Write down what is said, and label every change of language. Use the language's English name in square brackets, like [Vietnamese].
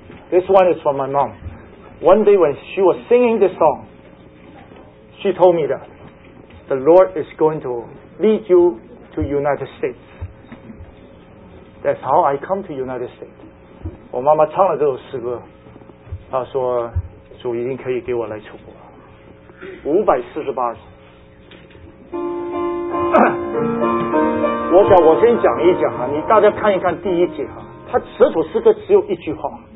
[English] This one is from my mom. One day when she was singing this song, she told me that the Lord is going to lead you to the United States. That's how I come to the United States. [Chinese] 我妈妈唱了这首诗歌，她说主一定可以给我来出国。548首。我想我先讲一讲哈，你大家看一看第一节哈，它这首诗歌只有一句话。